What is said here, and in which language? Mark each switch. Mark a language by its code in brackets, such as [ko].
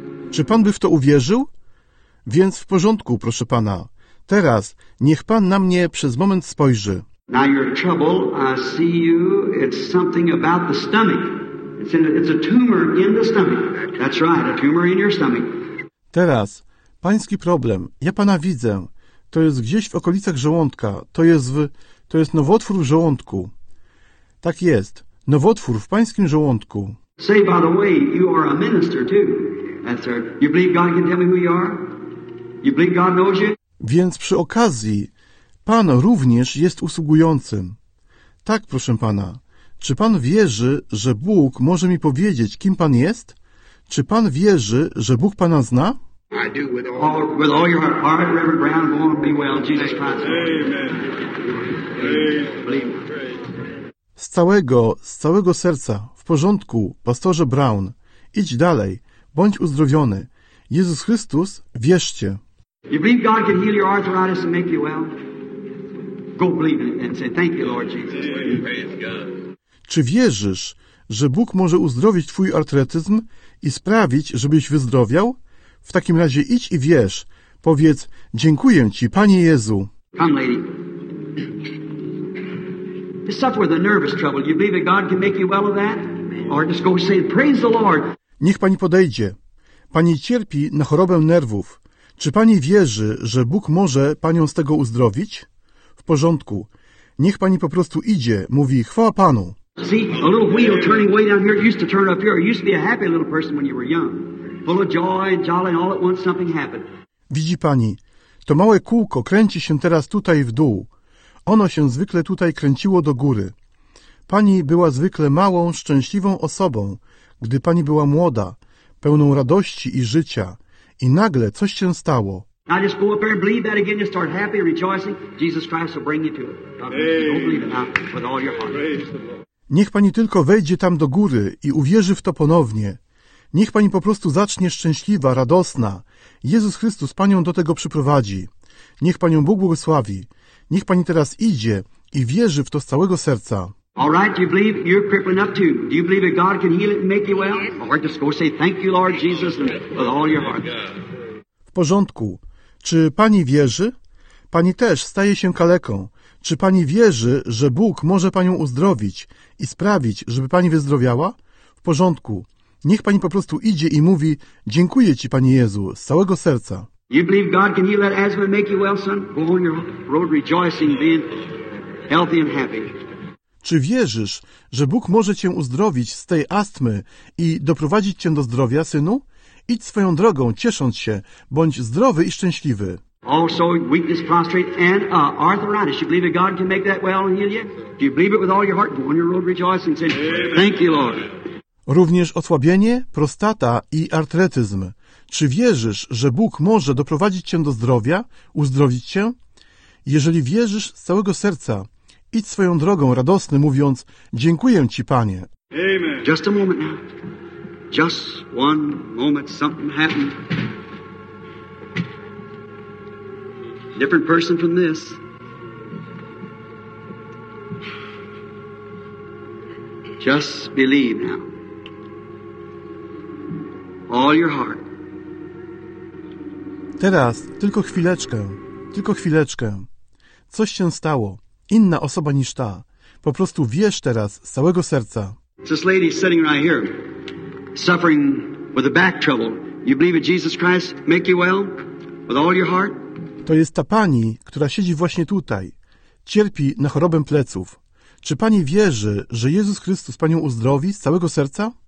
[pl] Czy Pan by w to uwierzył? Więc w porządku, proszę Pana. Teraz niech Pan na mnie przez moment spojrzy. [en] Now your trouble, I see you, it's something about the stomach. It's a tumor in the stomach. That's right, a tumor in your stomach. [pl] Teraz, pański problem, ja pana widzę. To jest gdzieś w okolicach żołądka, to jest nowotwór w żołądku. Tak jest, nowotwór w pańskim żołądku. [en] Say, by the way, you are a minister too. That's right. You believe God can tell me who you are? You believe God knows you? [pl] Więc przy okazji, pan również jest usługującym. Tak, proszę pana, czy pan wierzy, że Bóg może mi powiedzieć, kim pan jest? Czy pan wierzy, że Bóg pana zna? [en] I do with all your heart. All right, Reverend Brown, go on, be well, Jesus Christ. Amen. Believe. [pl] Z całego serca, w porządku, pastorze Brown. Idź dalej, bądź uzdrowiony. Jezus Chrystus, wierzcie. [en] You believe God can heal your arthritis and make you well? Go believe it and say, thank you, Lord Jesus. [pl] Czy wierzysz, że Bóg może uzdrowić twój artretyzm i sprawić, żebyś wyzdrowiał? W takim razie idź i wierz. Powiedz, dziękuję ci, Panie Jezu. [en] Come, lady. You suffer with a nervous trouble. You believe that God can make you well of that? Or just go say, praise the Lord. [pl] Niech pani podejdzie. Pani cierpi na chorobę nerwów. Czy pani wierzy, że Bóg może panią z tego uzdrowić? W porządku. Niech pani po prostu idzie, mówi, chwała Panu. [en] See, a little wheel turning way down here used to turn up here. You used to be a happy little person when you were young. Full of joy and jolly and all at once something happened. [pl] Widzi pani, to małe kółko kręci się teraz tutaj w dół. Ono się zwykle tutaj kręciło do góry. Pani była zwykle małą, szczęśliwą osobą, gdy pani była młoda, pełną radości i życia. I nagle coś się stało. [en] Now just go up there and believe that again. You start happy, rejoicing. Jesus Christ will bring you to it. Don't believe it now with all your heart. [pl] Niech pani tylko wejdzie tam do góry i uwierzy w to ponownie. Niech pani po prostu zacznie szczęśliwa, radosna. Jezus Chrystus panią do tego przyprowadzi. Niech panią Bóg błogosławi. Niech pani teraz idzie i wierzy w to z całego serca. [en] All right, you believe you're crippling up too. Do you believe that God can heal it and make you well? Or just go say thank you, Lord Jesus, and with all your heart. [pl] W porządku. Czy pani wierzy? Pani też staje się kaleką. Czy pani wierzy, że Bóg może panią uzdrowić i sprawić, żeby pani wyzdrowiała? W porządku. Niech pani po prostu idzie i mówi, dziękuję ci, Panie Jezu, z całego serca. [en] You believe God can heal that asthma and make you well, son? Go on your road rejoicing, being healthy and happy. [pl] Czy wierzysz, że Bóg może cię uzdrowić z tej astmy i doprowadzić cię do zdrowia, synu? Idź swoją drogą, ciesząc się. Bądź zdrowy i szczęśliwy. [en] Also, weakness, prostrate, and arthritis. You believe that God can make that well and heal you? Do you believe it with all your heart? Go on your road rejoicing, son. Thank you, Lord. [pl] Również osłabienie, prostata i artretyzm. Czy wierzysz, że Bóg może doprowadzić cię do zdrowia, uzdrowić cię? Jeżeli wierzysz z całego serca, idź swoją drogą radosny, mówiąc, dziękuję ci, Panie. Amen. [en] Just a moment now. Just one moment, something happened. Different person from this. Just believe now. All your heart. [pl] Teraz tylko chwileczkę. Coś się stało. Inna osoba niż ta. Po prostu wierz teraz z całego serca. [en] This lady sitting right here, suffering with a back trouble. You believe that Jesus Christ make you well with all your heart? [pl] To jest ta pani, która siedzi właśnie tutaj. Cierpi na chorobę pleców. Czy pani wierzy, że Jezus Chrystus panią uzdrowi z całego serca?